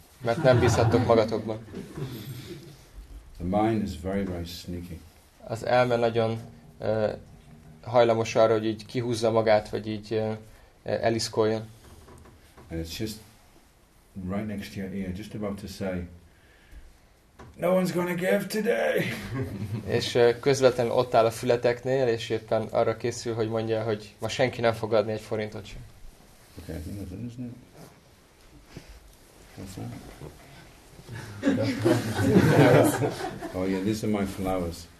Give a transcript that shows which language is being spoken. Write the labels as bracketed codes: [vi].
[hu] Mert nem bízhattok magatokban. [en] The mind is very, very sneaky. [hu] Az elme nagyon hajlamos arra, hogy így kihúzza magát, vagy így eliszkoljon. [en] And it's just right next to your ear, just about to say, no one's gonna give today. [hu] És közvetlenül ott áll a fületeknél, és éppen arra készül, hogy mondja, hogy ma senki nem fog adni egy forintot sem. [en] Okay, I think that's it, oh yeah, these are my flowers.